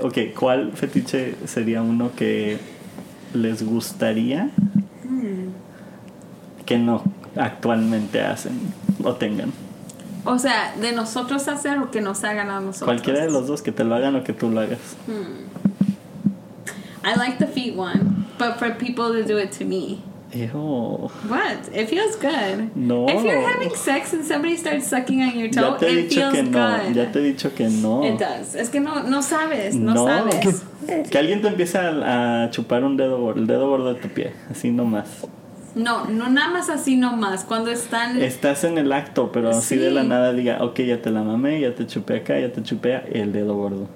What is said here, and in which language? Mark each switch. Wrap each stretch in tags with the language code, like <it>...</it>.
<es>Ok, ¿cuál fetiche sería uno que les gustaría que no actualmente hacen o tengan? O sea, ¿de nosotros hacer o que nos hagan a nosotros? Cualquiera de los dos, que te lo hagan o que tú lo hagas.</es> <en>I like the feet one, but for people to do it to me. Ew. What? It feels good. No. If you're having sex and somebody starts sucking on your toe, it feels good.</en> <es>No. Ya te he dicho que no.</es> <en>It does.</en> <es>Es que no sabes. Que alguien te empiece a chupar el dedo gordo de tu pie, así nomás. No, nada más así nomás. Cuando están... Estás en el acto, pero así sí. De la nada diga, ok, ya te la mamé, ya te chupé acá, ya te chupé el dedo gordo.</es>